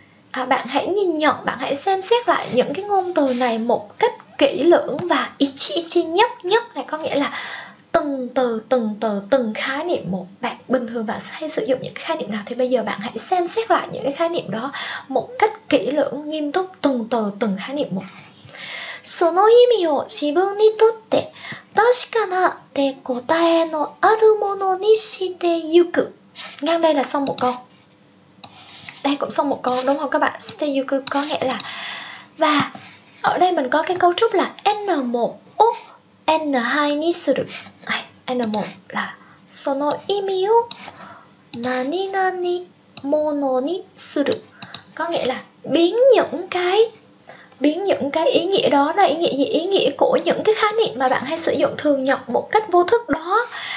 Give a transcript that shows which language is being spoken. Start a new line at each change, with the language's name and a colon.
Vietnamese: À, bạn hãy nhìn nhận, bạn hãy xem xét lại những cái ngôn từ này một cách kỹ lưỡng và ichi ichi nhất nhất này, có nghĩa là từng từ, từng khái niệm một. Bạn bình thường bạn hay sử dụng những khái niệm nào thì bây giờ bạn hãy xem xét lại những cái khái niệm đó một cách kỹ lưỡng, nghiêm túc, từng từ, từng khái niệm một.
Japanese: その意味を自分にとって確かなて答えのあるものにしてゆく.
Vietnamese: Ngang đây là xong một câu. Đây cũng xong một câu đúng không các bạn? Shite yuku có nghĩa là, và ở đây mình có cái cấu trúc là N1 o N2 ni suru. N1 là
Japanese: その意味を何々ものにする,
Vietnamese: có nghĩa là biến những cái ý nghĩa đó là ý nghĩa gì? Ý nghĩa của những cái khái niệm mà bạn hay sử dụng thường nhật một cách vô thức đó